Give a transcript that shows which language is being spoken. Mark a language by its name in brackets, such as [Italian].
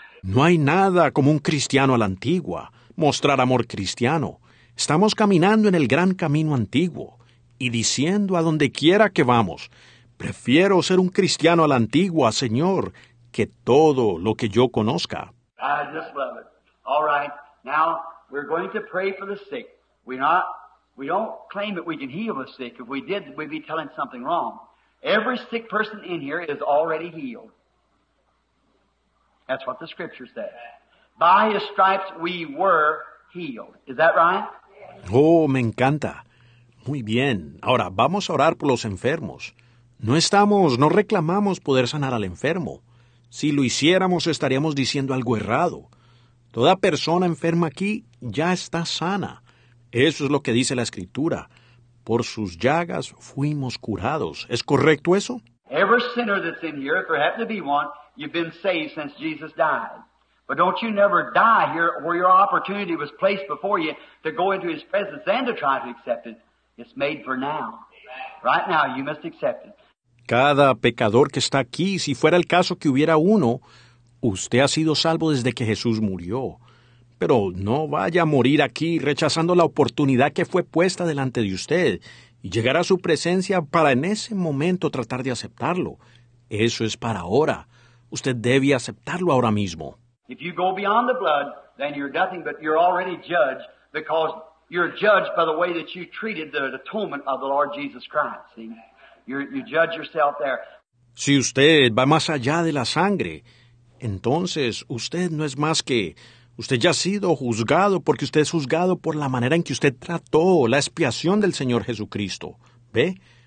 [Spanish] No hay nada como un cristiano a la antigua, mostrar amor cristiano. Estamos caminando en el gran camino antiguo y diciendo a donde quiera que vamos, prefiero ser un cristiano a la antigua, Señor, que todo lo que yo conozca. [English] I just love it. All right, now we're going to pray for the sick. We don't claim that we can heal the sick. If we did, we'd be telling something wrong. Every sick person in here is already healed. That's what the Scripture says. By His stripes we were healed. Is that right? [Spanish] Oh, me encanta. Muy bien. Ahora, vamos a orar por los enfermos. No reclamamos poder sanar al enfermo. Si lo hiciéramos, estaríamos diciendo algo errado. Toda persona enferma aquí ya está sana. Eso es lo que dice la Escritura. Por sus llagas fuimos curados. ¿Es correcto eso? [English] Every sinner that's in here, if there happened to be one, you've been saved since Jesus died. But don't you never die here where your opportunity was placed before you to go into His presence and to try to accept it. It's made for now. Right now, you must accept it. [Spanish] Cada pecador que está aquí, si fuera el caso que hubiera uno, usted ha sido salvo desde que Jesús murió. Pero no vaya a morir aquí rechazando la oportunidad que fue puesta delante de usted y llegar a su presencia para en ese momento tratar de aceptarlo. Eso es para ahora. Usted debe aceptarlo ahora mismo. [English] If you go beyond the blood, then you're nothing but you're already judged because you're judged by the way that you treated the atonement of the Lord Jesus Christ. See? You judge yourself there. [Spanish] Si usted va más allá de la sangre, entonces usted no es más que... Usted ya ha sido juzgado porque usted es juzgado por la manera en que usted trató la expiación del Señor Jesucristo. ¿Ve?